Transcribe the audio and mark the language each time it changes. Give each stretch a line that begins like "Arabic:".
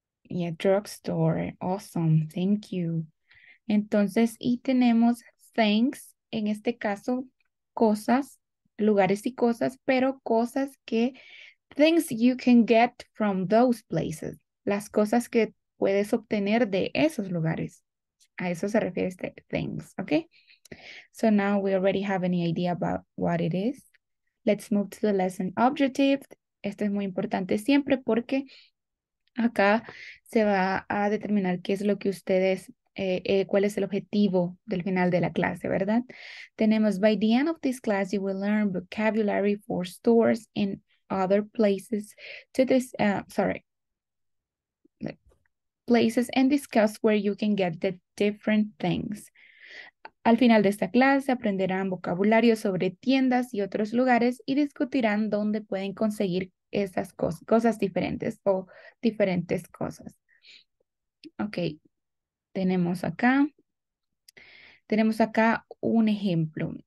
English: Yeah, drugstore. Awesome. Thank you.
Spanish: Entonces, y tenemos things, en este caso, cosas, lugares y cosas, pero cosas que,
English: things you can get from those places.
Spanish: Las cosas que puedes obtener de esos lugares. A eso se refiere este things, okay?
English: So now we already have any idea about what it is. Let's move to the lesson objective.
Spanish: Esto es muy importante siempre porque acá se va a determinar qué es lo que ustedes, cuál es el objetivo del final de la clase, ¿verdad? Tenemos,
English: by the end of this class, you will learn vocabulary for stores in other places to this, places and discuss where you can get the different things.
Spanish: Al final de esta clase aprenderán vocabulario sobre tiendas y otros lugares y discutirán dónde pueden conseguir esas cosas diferentes o diferentes cosas. Ok, tenemos acá un ejemplo.